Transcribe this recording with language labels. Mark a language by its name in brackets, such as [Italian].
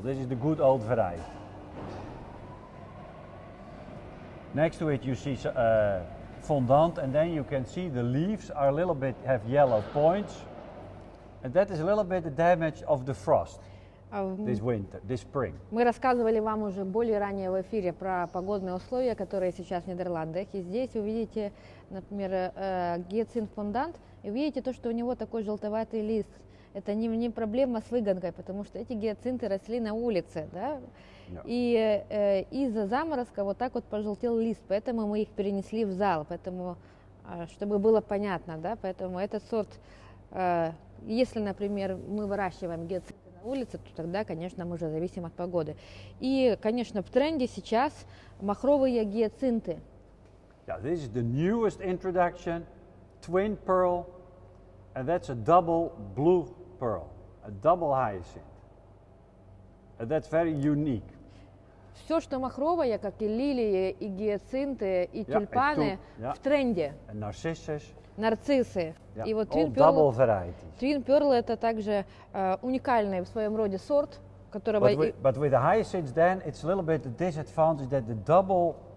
[English] This is the good old variety. Next to it, you see fondant, and then you can see the leaves are a little bit have yellow points, and that is a little bit the damage of the frost this winter, this spring. [Russian] Мы рассказывали вам уже более ранее в эфире про погодные условия, которые сейчас в Нидерландах, и здесь вы видите. Например, гиацинт фондант, и видите то, что у него такой желтоватый лист. Это не проблема с выгонкой, потому что эти гиацинты росли на улице, да? [English] Yeah. [Russian] И из-за заморозка вот так вот пожелтел лист, поэтому мы их перенесли в зал, поэтому чтобы было понятно, да? Поэтому этот сорт, если, например, мы выращиваем гиацинты на улице, то тогда, конечно, мы уже зависим от погоды. И, конечно, в тренде сейчас махровые гиацинты. [English] Yeah, this is the newest introduction, twin pearl, and that's a double blue pearl, a double hyacinth. And that's very unique. [Russian] Все, что махровое, как и лилии, и гиацинты, и тюльпаны, в тренде. [English] And narcissus. [Russian] Нарциссы. [English] Yeah, [Russian] и вот [English] twin pearl, double varieties. [Russian] Twin pearl – это также уникальный в своем роде сорт, которого... [English] But with the hyacinths then, it's a little bit the disadvantage that the double...